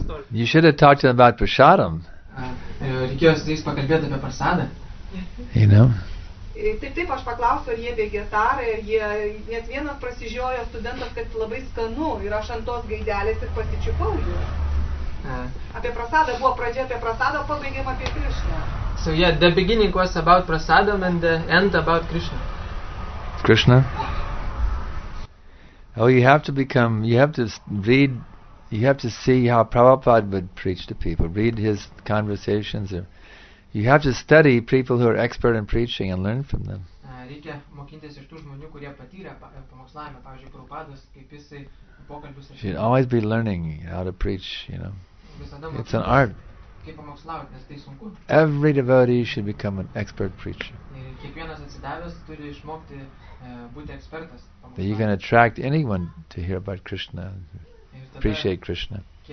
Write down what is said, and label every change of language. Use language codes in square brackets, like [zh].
[en] You should have talked to them about prasadam. [lt] Reikėjo su jais pakalbėti apie prasadą. [en] You know? [lt] Taip, aš paklausiu, ar jie vegetarai, ar jie, nes vienas prasižiojo studentas, kad labai skanu, ir aš ant tos gaidelės ir pasičiupau jų. Apie prasadą buvo pradžia apie prasadą, o pabaigėm apie Krišną. [en] So yeah, the beginning was about prasadam and the end about Krishna. Krishna? Oh, you have to see how Prabhupada would preach to people, read his conversations. Or you have to study people who are expert in preaching and learn from them. [lt] Reikia mokintis iš tų žmonių, kurie patyrė pamokslavimą, pavyzdžiui, Prabhupadas, kaip jisai pokalbius. [en] You should always be learning how to preach, you know. It's an art. [lt] Kaip pamokslauti, nes tai sunku. [en] Every devotee should become an expert preacher. [lt] Kiekvienas atsidavęs turi išmokti būti ekspertas. [en] That you can attract anyone to hear about Krishna. Appreciate Krishna.